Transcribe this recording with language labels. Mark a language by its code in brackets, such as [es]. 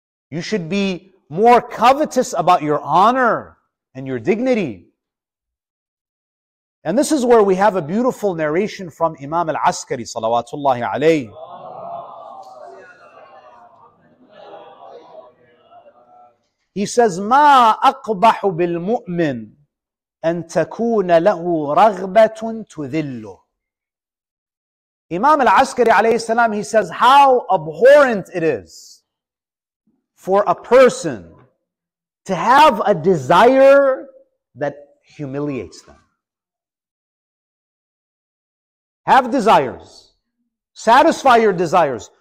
[en] You should be more covetous about your honor and your dignity. And this is where we have a beautiful narration from Imam al-Askari, salawatullahi alayhi. He says, [ar] مَا أَقْبَحُ بِالْمُؤْمِنِ أَن تَكُونَ لَهُ رَغْبَةٌ تُذِلُّهُ. [en] Imam al-Askari alayhi salam, he says, how abhorrent it is for a person to have a desire that humiliates them. Have desires. Satisfy your desires.